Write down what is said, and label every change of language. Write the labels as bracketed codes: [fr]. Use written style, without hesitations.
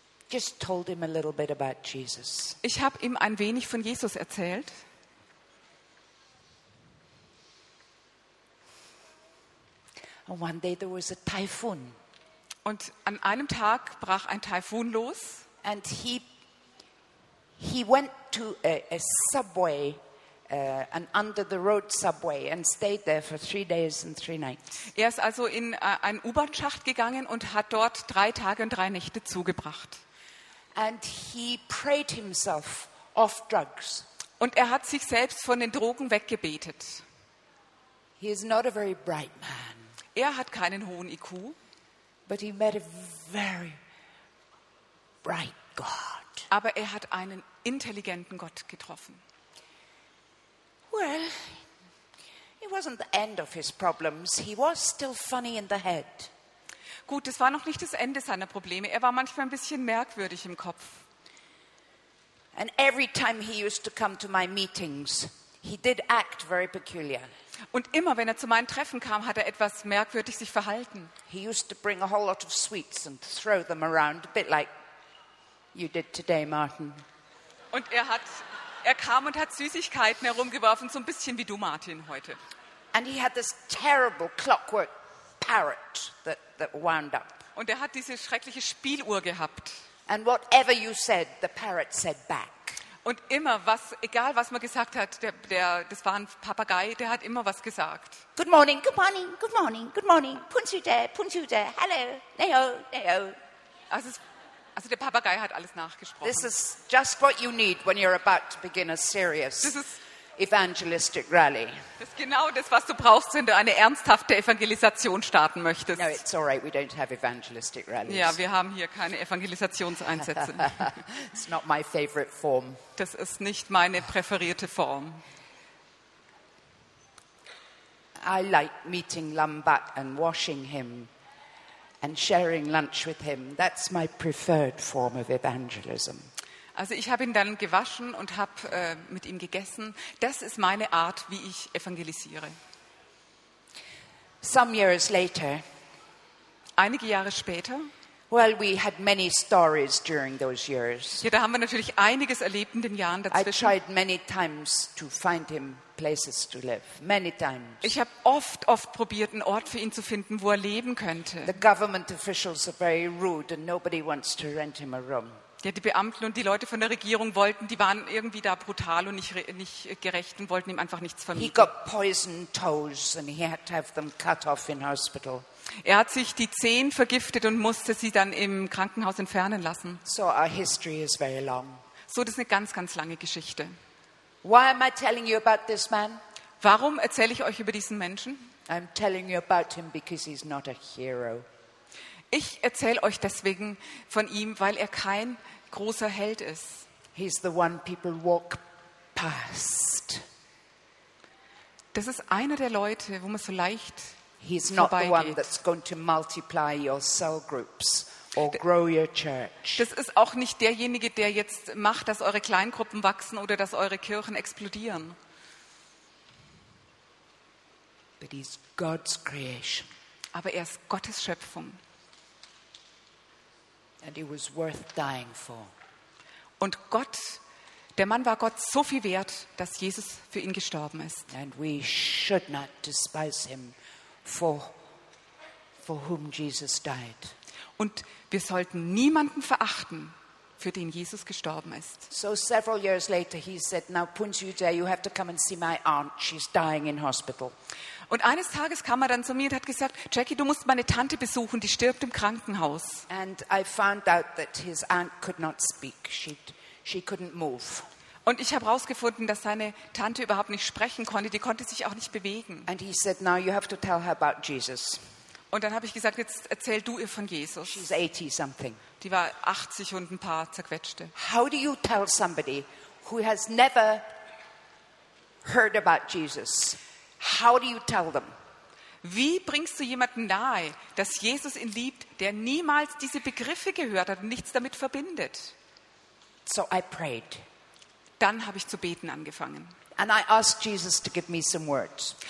[en] Just told him a little bit about Jesus. [de] Ich habe ihm ein wenig von Jesus erzählt. [en] And one day there was a typhoon. [de] Und an einem Tag brach ein Taifun los. [en] And he went to a subway, an under the road subway, and stayed there for 3 days and 3 nights. [de] Er ist also in einen U-Bahn-Schacht gegangen und hat dort 3 Tage und 3 Nächte zugebracht. [en] And he prayed himself off drugs. [de] Und er hat sich selbst von den Drogen weggebetet. [en] He is not a very bright man. [de] Er hat keinen hohen IQ. [en] But he met a very bright God. [de] Aber er hat einen intelligenten Gott getroffen. [en] Well, it wasn't the end of his problems. He was still funny in the head. [de] Gut, es war noch nicht das Ende seiner Probleme. Er war manchmal ein bisschen merkwürdig im Kopf. [en] And every time he used to come to my meetings, he did act very peculiar. [de] Und immer wenn er zu meinen Treffen kam, hat er etwas merkwürdig sich verhalten. [en] He used to bring a whole lot of sweets and throw them around, a bit like you did today, Martin. [de] Und er kam und hat Süßigkeiten herumgeworfen, so ein bisschen wie du, Martin, heute. [en] And he had this terrible clockwork parrot that wound up. [de] Und er hat diese schreckliche Spieluhr gehabt. [en] And whatever you said, the parrot said back. [de] Und immer was, egal was man gesagt hat, das war ein Papagei, der hat immer was gesagt. [en] Good morning, good morning, good morning, good morning. Punzude, hello, neo, neo. [de] Also der Papagei hat alles nachgesprochen. [en] This is just what you need when you're about to begin a serious. Evangelistic rally. [de] Das ist genau das, was du brauchst, wenn du eine ernsthafte Evangelisation starten möchtest. [en] No, it's all right. We don't have evangelistic rallies. [de] Ja, wir haben hier keine Evangelisationseinsätze. [en] It's not my favorite form. [de] Das ist nicht meine präferierte Form. [en] I like meeting Lambert and washing him and sharing lunch with him. That's my preferred form of evangelism. [de] Also ich habe ihn dann gewaschen und habe mit ihm gegessen. Das ist meine Art, wie ich evangelisiere. [en] Some years later. [de] Einige Jahre später. [en] Well, we had many stories during those years. [de] Ja, da haben wir natürlich einiges erlebt in den Jahren dazwischen. [en] I tried many times to find him places to live. Many times. [de] Ich habe oft probiert, einen Ort für ihn zu finden, wo er leben könnte. [en] The government officials are very rude and nobody wants to rent him a room. [de] Ja, die Beamten und die Leute von der Regierung wollten, die waren irgendwie da brutal und nicht gerecht und wollten ihm einfach nichts vermieten. [en] He got poison toes and he had to have them cut off in hospital. [de] Er hat sich die Zehen vergiftet und musste sie dann im Krankenhaus entfernen lassen. [en] So our history is very long. [de] So, das ist eine ganz, ganz lange Geschichte. [en] Why am I telling you about this man? [de] Warum erzähle ich euch über diesen Menschen? [en] I'm telling you about him because he's not a hero. [de] Ich erzähle euch deswegen von ihm, weil er kein großer Held ist. [en] He's the one people walk past. [de] Das ist einer der Leute, wo man so leicht [en] He's not the one that's going to multiply your cell groups or grow your church. [de] Das ist auch nicht derjenige, der jetzt macht, dass eure Kleingruppen wachsen oder dass eure Kirchen explodieren. [en] But he's God's creation. [de] Aber er ist Gottes Schöpfung. [en] And he was worth dying for. [de] Und Gott, der Mann war Gott so viel wert, dass Jesus für ihn gestorben ist. [en] And we should not despise him. For whom Jesus died. [de] Und wir sollten niemanden verachten, für den Jesus gestorben ist. [en] So several years later he said, now Punzi, you have to come and see my aunt, she's dying in hospital. [de] Und eines Tages kam er dann zu mir und hat gesagt, Jackie, du musst meine Tante besuchen, die stirbt im Krankenhaus. [en] And I found out that his aunt could not speak, she couldn't move. [de] Und ich habe herausgefunden, dass seine Tante überhaupt nicht sprechen konnte. Die konnte sich auch nicht bewegen. [en] And he said, now you have to tell her about Jesus. [de] Und dann habe ich gesagt, jetzt erzähl du ihr von Jesus. [en] She's 80 something. [de] Die war 80 und ein paar zerquetschte. [en] How do you tell somebody who has never heard about Jesus? How do you tell them? [de] Wie bringst du jemanden nahe, dass Jesus ihn liebt, der niemals diese Begriffe gehört hat und nichts damit verbindet? [en] So I prayed. [de] Dann habe ich zu beten angefangen. [en] And I asked Jesus to give me some words.